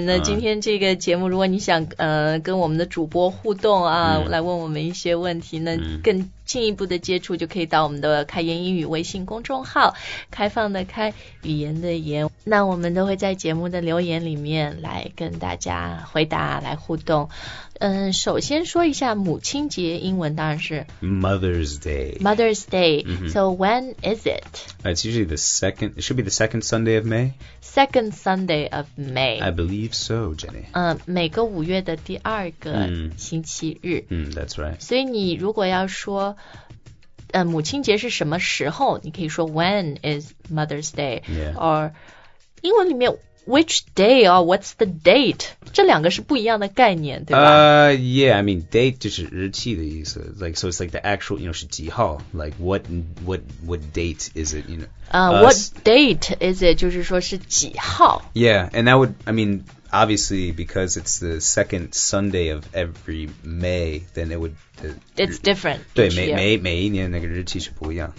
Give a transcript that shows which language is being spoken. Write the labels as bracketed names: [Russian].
[Chinese] 那今天这个节目如果你想、跟我们的主播互动啊、来问我们一些问题，那更进一步的接触就可以到我们的开言英语微信公众号，开放的开，语言的言，那我们都会在节目的留言里面来跟大家回答来互动。首先说一下母亲节英文当然是 [English] Mother's Day. Mother's Day. So when is it? It's usually the second, it should be the second Sunday of May. Second Sunday of May. I believe so, Jenny. [Chinese] 每个五月的第二个星期日。 [English] That's right. [Chinese] 所以你如果要说母亲节是什么时候，你可以说 [English] when is Mother's Day. Yeah. Or [Chinese] 英文里面 [English] Which day or what's the date? [Chinese] 这两个是不一样的概念，对吧？ [English] Yeah, I mean, date [Chinese] 就是日期的意思。 [English] Like, so it's like the actual, you know, [Chinese] 是几号。 [English] Like, what date is it, you know? What date is it? [Chinese] 就是说是几号。 [English] Yeah, and that would, I mean, obviously, because it's the second Sunday of every May, then it would... it's different. [Chinese] 对，每一年那个日期是不一样。